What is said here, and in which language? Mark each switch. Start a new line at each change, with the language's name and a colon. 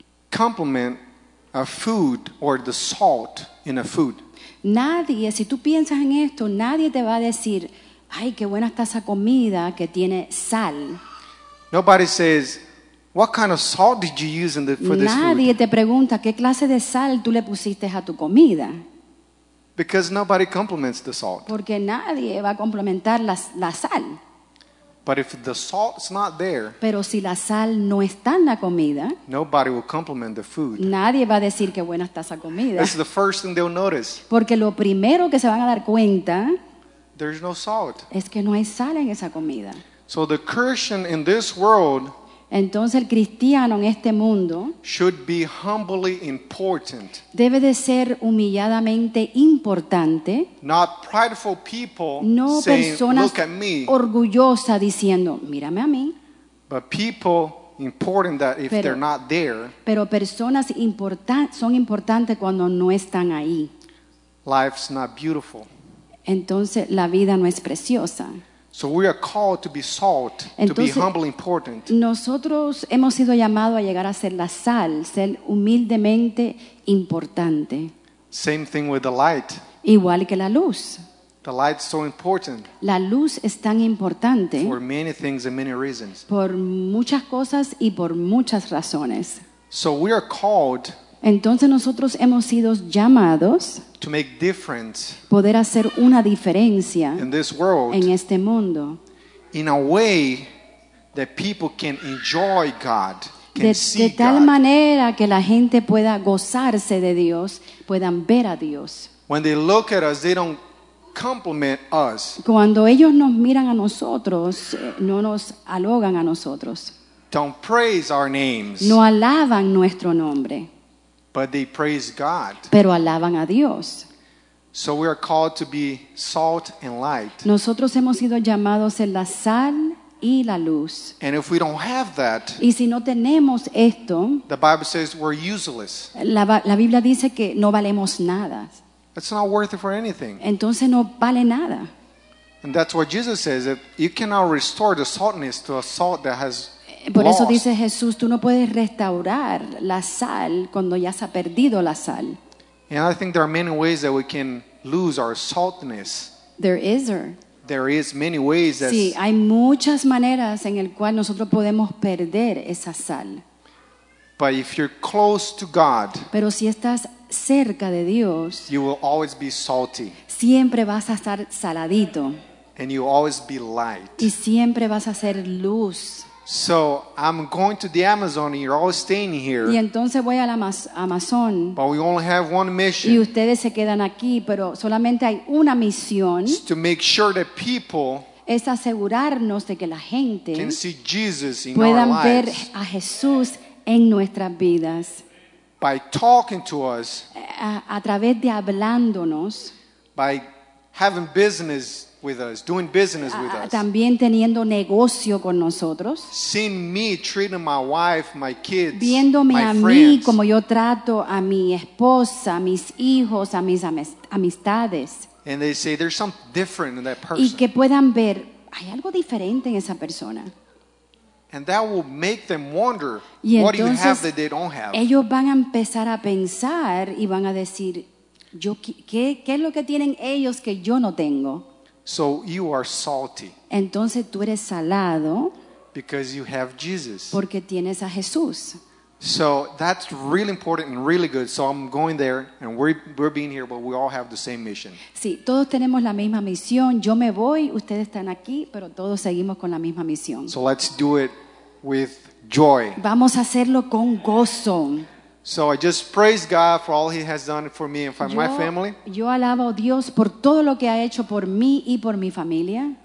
English: complement a food or the salt in a food.
Spanish: Nadie, si tú piensas en esto, nadie te va a decir, ay, qué buena está esa comida que tiene sal.
English: Nobody says, what kind of salt did you use for this food?
Spanish: Nadie te pregunta qué clase de sal tú le pusiste a tu comida.
English: Because nobody complements the salt.
Spanish: Porque nadie va a complementar la sal.
English: But if the salt's not there,
Spanish: pero si la sal no está en la comida,
English: nobody will compliment the food.
Spanish: Nadie va a decir qué buena está esa comida.
English: That's the first thing they'll notice.
Spanish: Porque lo primero que se van a dar cuenta,
English: there's no salt.
Spanish: Es que no hay sal en esa comida.
English: So the Christian in this world,
Spanish: entonces el cristiano en este mundo,
English: should be humbly important.
Spanish: Debe de ser humilladamente importante.
English: Not prideful people,
Spanish: no
English: saying,
Spanish: personas
English: "Look at me."
Spanish: Orgullosa diciendo, "Mírame a mí."
English: But people important that if they're not there.
Spanish: Pero personas son importantes cuando no están ahí.
English: Life's not beautiful.
Spanish: Entonces la vida no es preciosa.
English: So we are called to be salt,
Spanish: entonces,
English: to be humbly important.
Spanish: Nosotros hemos sido llamados a llegar a ser la sal, ser humildemente importante.
English: Same thing with the light.
Spanish: Igual que la luz.
English: The light's so important.
Spanish: La luz es tan importante.
English: For many things and many reasons.
Spanish: Por muchas cosas y por muchas razones.
English: So we are called.
Spanish: Entonces nosotros hemos sido llamados
English: to make difference,
Spanish: poder hacer una diferencia
English: in this world,
Spanish: en este mundo,
English: in a way that people can enjoy God, can
Spanish: de,
English: see
Spanish: de tal
English: God.
Spanish: Manera que la gente pueda gozarse de Dios, puedan ver a Dios.
English: When they look at us, they don't compliment us.
Spanish: Cuando ellos nos miran a nosotros, no nos halagan a nosotros.
English: Don't praise our names.
Spanish: No alaban nuestro nombre.
English: But they praise God.
Spanish: Pero alaban a Dios.
English: So we are called to be salt and light.
Spanish: Nosotros hemos sido llamados en la sal y la luz.
English: And if we don't have that,
Spanish: y si no tenemos esto,
English: the Bible says we're useless.
Spanish: La Biblia dice que no valemos nada.
English: It's not worth it for anything.
Spanish: Entonces no vale nada.
English: And that's what Jesus says, that you cannot restore the saltiness to a salt that has
Spanish: Por eso dice Jesús, tú no puedes restaurar la sal cuando ya se ha perdido la sal.
English: And I think there are many ways that we can lose our saltiness. There is many ways that.
Spanish: Sí, hay muchas maneras en el cual nosotros podemos perder esa sal.
English: But if you're close to God,
Spanish: pero si estás cerca de Dios,
English: you will always be salty.
Spanish: Siempre vas a estar saladito.
English: And you'll always be light.
Spanish: Y siempre vas a ser luz.
English: So I'm going to the Amazon and you're all staying here.
Spanish: Y entonces voy a la Amazon.
English: But we only have one mission.
Spanish: Y ustedes se quedan aquí, pero solamente hay una misión.
English: It's to make sure that people
Spanish: es asegurarnos de que la gente
English: can see Jesus in
Spanish: puedan
English: our
Spanish: ver
English: lives
Spanish: a Jesús en nuestras vidas.
English: By talking to us.
Spanish: A través de hablándonos.
English: By having business with us, doing business with us.
Spanish: También teniendo negocio con nosotros.
English: Seeing me treating my wife, my kids,
Spanish: viéndome
English: my
Spanish: a
English: friends
Spanish: mí como yo trato a mi esposa, a mis hijos, a mis amistades.
English: And they say there's something different in that person.
Spanish: Y que puedan ver hay algo diferente en esa persona.
English: And that will make them wonder
Spanish: y entonces,
English: what do you have that they don't have.
Spanish: Ellos van a empezar a pensar y van a decir yo qué es lo que tienen ellos que yo no tengo.
English: So you are salty.
Spanish: Entonces tú eres salado.
English: Because you have Jesus.
Spanish: Porque tienes a Jesús.
English: So that's really important and really good. So I'm going there and we're being here, but we all have the same mission.
Spanish: Sí, todos tenemos la misma misión. Yo me voy, ustedes están aquí, pero todos seguimos con la misma misión.
English: So let's do it with joy.
Spanish: Vamos a hacerlo con gozo.
English: So I just praise God for all he has done for me and for my family.
Spanish: Yo alabo a Dios por todo lo que ha hecho por mí y por mi familia.